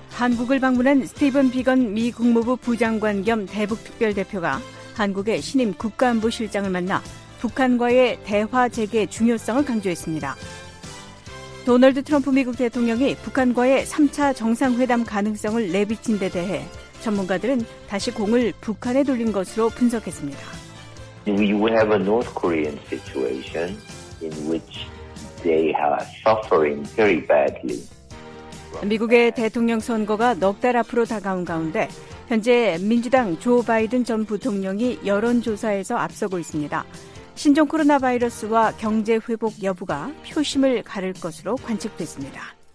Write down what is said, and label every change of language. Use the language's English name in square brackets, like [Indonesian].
[Korean] 한국을 방문한 스티븐 비건 미 국무부 부장관 겸 대북특별대표가 한국의 신임 국가안보실장을 만나 북한과의 대화 재개의 중요성을 강조했습니다. 도널드 트럼프 미국 대통령이 북한과의 3차 정상회담 가능성을 내비친 데 대해 전문가들은 다시 공을 북한에 돌린 것으로 분석했습니다. [English] We have a North Korean situation in which they are suffering very badly. [Korean] 미국의 대통령 선거가 넉 달 앞으로 다가온 가운데 현재 민주당 조 바이든 전 부통령이 여론조사에서 앞서고 있습니다. 신종 코로나 바이러스와 경제 회복 여부가 표심을 가를 것으로 관측됐습니다.